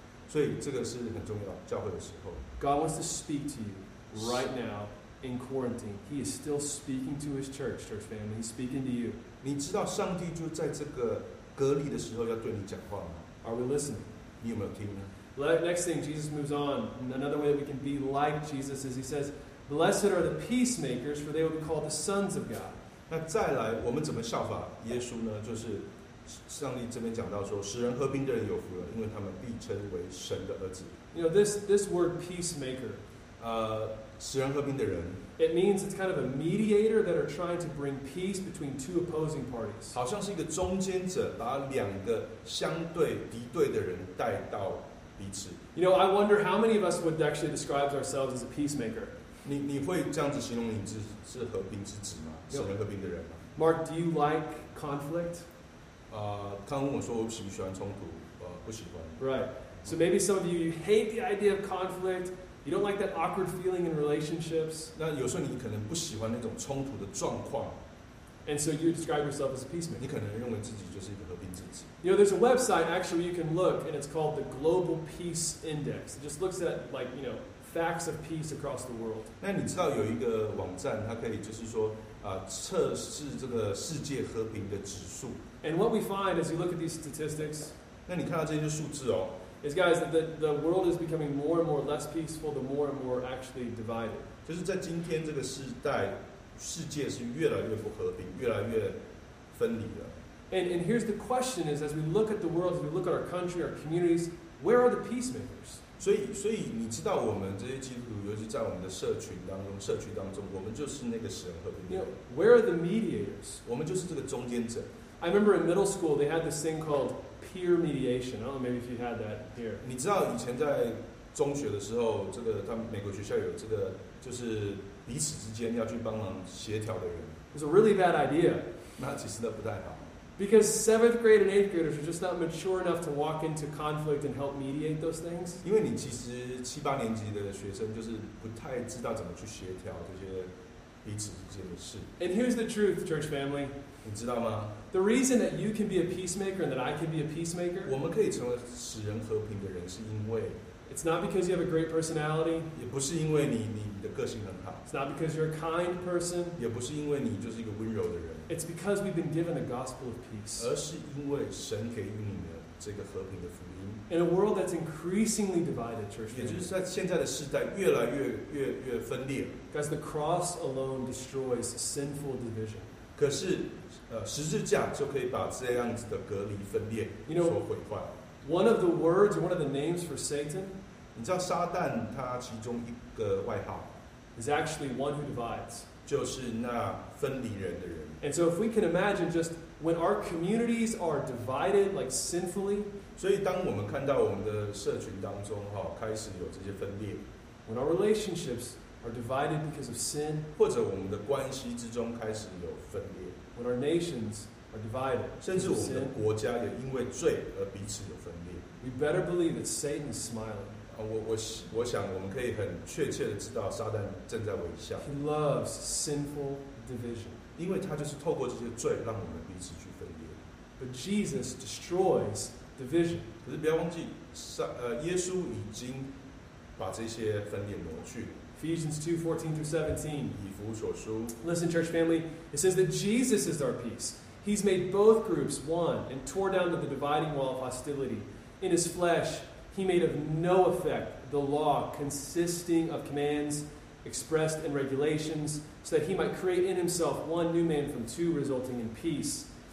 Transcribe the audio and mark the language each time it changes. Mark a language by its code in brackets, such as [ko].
[zh] 所以这个是很重要，教会的时候。 [en] God wants to speak to you right now. In quarantine, He is still speaking to His church, church family. He's speaking to you. [zh] 你知道上帝就在这个隔离的时候要对你讲话吗？ [en] Are we listening? [zh] 你有没有听呢？ [en] Next thing, Jesus moves on. Another way that we can be like Jesus is He says, "Blessed are the peacemakers, for they will be called the sons of God." [zh] 那再来，我们怎么效法耶稣呢？就是上帝这边讲到说，使人和平的人有福了，因为他们必称为神的儿子。 [en] You know this word peacemaker. [zh] 使人和平的人 [en] It means it's kind of a mediator that are trying to bring peace between two opposing parties. [zh] 好像是一个中间者，把两个相对敌对的人带到彼此。 [en] You know, I wonder how many of us would actually describe ourselves as a peacemaker. [zh] 你会这样子形容你是和平之子吗？使人和平的人吗？ [en] Mark, do you like conflict? [zh] 康问我说我喜不喜欢冲突？不喜欢。 [en] Right. So maybe some of you hate the idea of conflict. You don't like that awkward feeling in relationships. [zh] 那有时候你可能不喜欢那种冲突的状况。 [en] And so you describe yourself as a peacemaker. [zh] 你可能认为自己就是一个和平之子。 [en] You know, there's a website actually where you can look, and it's called the Global Peace Index. It just looks at, like, you know, facts of peace across the world. [zh] 那你知道有一个网站，它可以就是说，测试这个世界和平的指数。 [en] And what we find as you look at these statistics. [zh] 那你看到这些数字哦。 [en] Is guys that the world is becoming more and more less peaceful, the more and more actually divided. [zh] 就是在今天这个时代，世界是越来越不和平，越来越分离了。 [en] And here's the question: is as we look at the world, as we look at our country, our communities, where are the peacemakers? [zh] 所以你知道我们这些基督徒，尤其在我们的社群当中，我们就是那个使人和平的。 [en] You know, where are the mediators? [zh] 我们就是这个中间者。 [en] I remember in middle school they had this thing called peer mediation. I don't know maybe if you had that here. [zh] 你知道以前在中学的时候，这个他们美国学校有这个，就是彼此之间要去帮忙协调的人。 [en] It's a really bad idea. [zh] 那其实那不太好。 [en] Because 7th grade and 8th graders are just not mature enough to walk into conflict and help mediate those things. [zh] 因为你其实七八年级的学生就是不太知道怎么去协调这些彼此之间的事。 [en] And here's the truth, church family. [zh] 你知道吗？ [en] The reason that you can be a peacemaker and that I can be a peacemaker. [zh] 我们可以成为使人和平的人，是因为 [en] it's not because you have a great personality. [zh] 也不是因为你的个性很好。 [en] It's not because you're a kind person. [zh] 也不是因为你就是一个温柔的人。 [en] It's because we've been given the gospel of peace. [zh] 而是因为神给予你的这个和平的福音。 [en] In a world that's increasingly divided, church. [zh] 也就是在现在的时代，越来越越分裂。 [en] Guys, the cross alone destroys sinful division. [zh] 可是十字架就可以把这样子的隔离分裂所毁坏。 [en] You know, one of the words or one of the names for Satan. [zh] 你知道撒旦他其中一个外号 [en] is actually one who divides. [zh] 就是那分离人的人。 [en] And so if we can imagine just when our communities are divided like sinfully. [zh] 所以当我们看到我们的社群当中开始有这些分裂。 [en] When our relationships are divided because of sin. [zh] 或者我们的关系之中开始有分裂。 [en] When our nations are divided, [zh] 甚至我们的国家也因为罪而彼此有分裂。 [en] We better believe that Satan is smiling. [zh] 我想我们可以很确切的知道撒旦正在微笑。 [en] He loves sinful division. [zh] 因为他就是透过这些罪让我们彼此去分裂。 [en] But Jesus destroys division. [zh] 可是不要忘记，耶稣已经把这些分裂挪去。 [en] Ephesians 2:14-17. Listen, church family, it says that Jesus is our peace. He's made both groups one and tore down the dividing wall of hostility. In his flesh, he made of no effect the law consisting of commands expressed in regulations, so that he might create in himself one new man from two, resulting in peace.